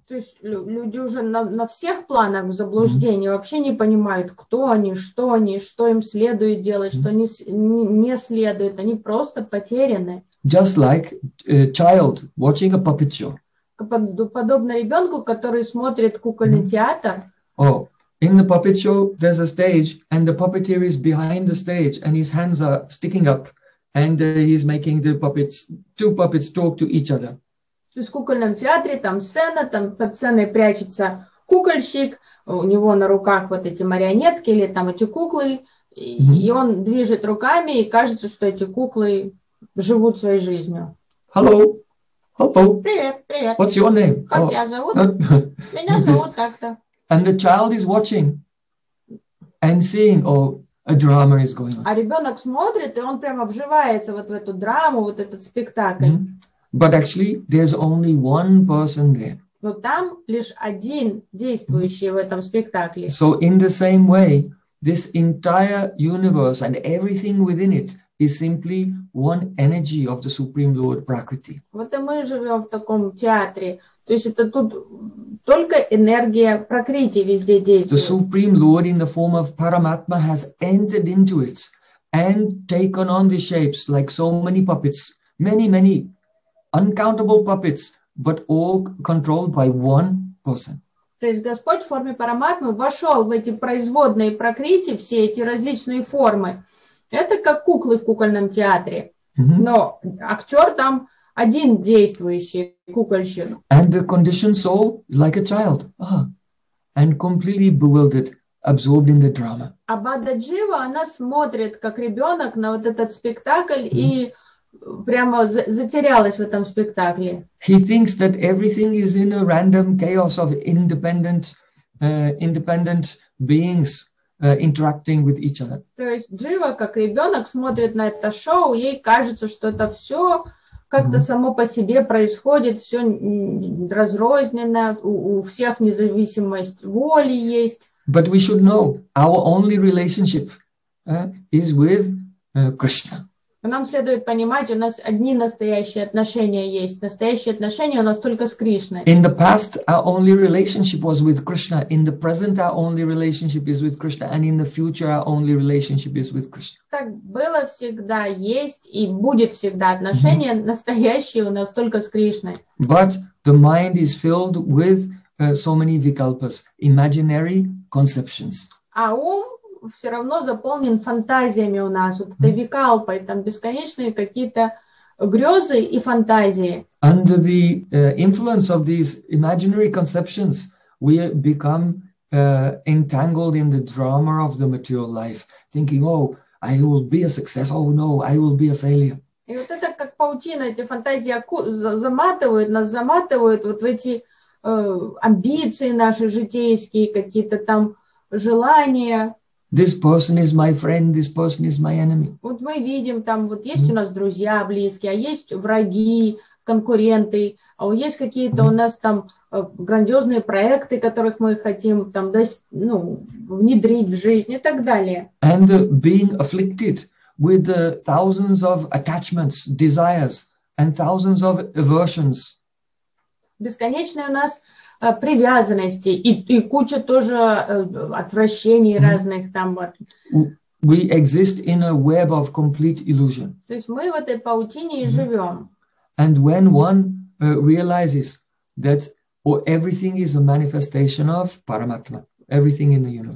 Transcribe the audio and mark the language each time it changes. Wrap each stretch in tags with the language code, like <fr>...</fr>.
<ru>То есть люди уже на всех планах в заблуждении, вообще не понимают, кто они, что им следует делать, что они не следует, они просто потеряны.</ru> <en>Just like a child watching a puppet show.</en> <ru>Подобно ребенку, который смотрит кукольный театр.</ru> <en>Oh, in the puppet show there's a stage and the puppeteer is behind the stage and his hands are sticking up and he's making the puppets, two puppets talk to each other.</en> <ru>То есть в кукольном театре там сцена, там под сценой прячется кукольщик, у него на руках вот эти марионетки или там эти куклы, и он движет руками и кажется, что эти куклы живут своей жизнью.</ru> <en>Hello. Hello.</en> <ru>Привет, привет.</ru> <en>What's your name?</en> <ru>Как тебя зовут? Меня зовут так-то.</ru> <en>And the child is watching and seeing, oh, a drama is going on.</en> <ru>А ребенок смотрит, и он прямо вживается вот в эту драму, вот этот спектакль.</ru> <en>But actually, there's only one person there.</en> <ru>Но там лишь один действующий в этом спектакле.</ru> <en>So in the same way, this entire universe and everything within it is simply one energy of the Supreme Lord Prakriti.</en> <ru>Вот и мы живем в таком театре. То есть это тут только энергия Пракрити везде действует.</ru> <en>The Supreme Lord in the form of Paramatma has entered into it and taken on the shapes like so many puppets, many uncountable puppets, but all controlled by one person.</en> <ru>То есть Господь в форме параматмы вошел в эти производные прокрити, все эти различные формы. Это как куклы в кукольном театре. Mm-hmm. Но актер там один действующий кукольщик.</ru> <en>And the conditioned soul, like a child. Ah. And completely bewildered, absorbed in the drama.</en> <ru>А Бадха Джива, она смотрит, как ребенок, на вот этот спектакль mm-hmm. и прямо затерялась в этом спектакле.</ru> <en>He thinks that everything is in a random chaos of independent beings interacting with each other.</en> <ru>То есть Джива, как ребенок, смотрит на это шоу, ей кажется, что это все как-то mm-hmm. само по себе происходит, все разрозненно, у всех независимость воли есть.</ru> <en>But we should know, our only relationship is with Krishna.</en> <ru>Нам следует понимать, у нас одни настоящие отношения есть. Настоящие отношения у нас только с Кришной.</ru> <en>In the past, our only relationship was with Krishna. In the present, our only relationship is with Krishna. And in the future, our only relationship is with Krishna.</en> <ru>Так было всегда, есть и будет всегда. Отношения mm-hmm. настоящие у нас только с Кришной.</ru> <en>But the mind is filled with so many vikalpas, imaginary conceptions.</en> <ru>А ум все равно заполнен фантазиями у нас, вот это викалпой, там бесконечные какие-то грезы и фантазии.</ru> <en>Under the influence of these imaginary conceptions, we become entangled in the drama of the material life, thinking, oh, I will be a success, oh no, I will be a failure.</en> <ru>И вот это как паутина, эти фантазии заматывают, нас заматывают вот в эти амбиции наши житейские, какие-то там желания.</ru> <en>This person is my friend, this person is my enemy.</en> <ru>Вот мы видим там, вот есть mm-hmm. у нас друзья близкие, а есть враги, конкуренты, а вот есть какие-то mm-hmm. у нас там грандиозные проекты, которых мы хотим там, ну, внедрить в жизнь и так далее.</ru> <en>And being afflicted with thousands of attachments, desires, and thousands of aversions.</en> <ru>Бесконечные у нас привязанности и куча тоже отвращений mm-hmm. разных там вот.</ru> <en>We exist in a web of complete illusion.</en> <ru>То есть мы в этой паутине mm-hmm. и живем.</ru> <en>And when one realizes that everything is a manifestation of Paramatma, everything in the universe.</en>